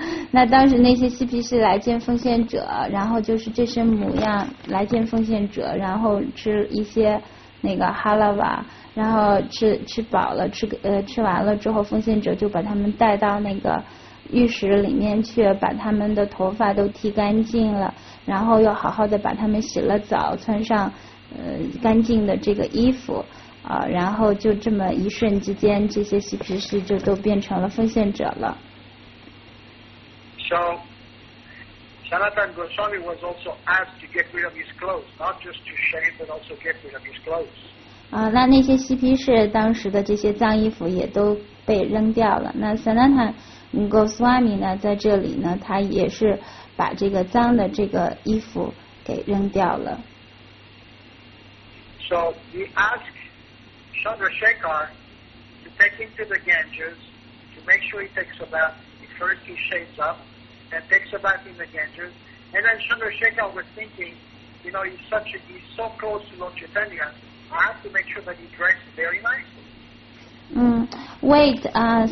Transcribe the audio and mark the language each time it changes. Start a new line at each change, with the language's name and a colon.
Chinese: 那当时那些嬉皮士来见奉献者，然后就是这身模样来见奉献者，然后吃一些那个哈拉瓦，然后吃饱了，吃完了之后，奉献者就把他们带到那个浴室里面去，把他们的头发都剃干净了，然后又好好的把他们洗了澡，穿上干净的这个衣服。然后就这么一瞬之间，这些嬉皮士就都变成了奉献者了。
English: So, Sanatana Goswami was also asked to get rid of his clothes, not just to shave, but also get rid of his clothes.
Chinese: 那些嬉皮士当时的这些脏衣服也都被扔掉了。那 Sanatana Goswami 呢，在这里呢，他也是把这个脏的这个衣服给扔掉了。
English: So, he asked Chandrasekhar to take taking to the Ganges to make sure he takes a bath. He first he shaves up and takes a bath in the Ganges. And then Chandra Shekhar was thinking, you know, he's so close to Lord Chaitanya, I have to make sure that he dresses very nicely.